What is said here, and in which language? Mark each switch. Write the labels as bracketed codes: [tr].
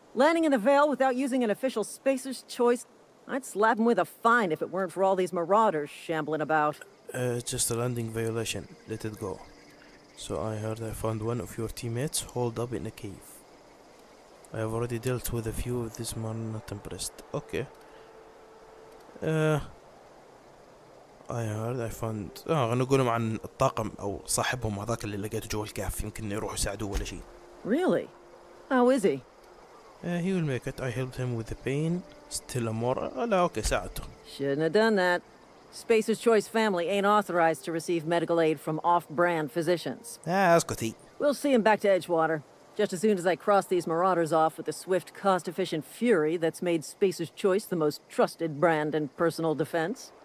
[en] Landing in the Vale without using an official spacer's choice, I'd slap him with a fine if it weren't for all these marauders shambling about. Just a landing violation. Let it go. So I heard I found one of your teammates holed up in a cave. I have already dealt with a few of these men, not impressed. Okay. I heard I found. [ar] نقولهم عن الطاقم او صاحبهم هذاك اللي لقيته جوا الكهف، يمكن يروحوا يساعدوه ولا شيء. [en] Really? How is he? He will make it. I helped him with the pain. Still a more. [ar] لا اوكي ساعدته. [en] Shouldn't have done that. Spacer's Choice family ain't authorized to receive medical aid from off-brand physicians. [ar] اسكتي. [en] We'll see him back to Edgewater. Just as soon as I cross these marauders off with the swift, cost-efficient fury that's made Spacer's Choice the most trusted brand in personal defense.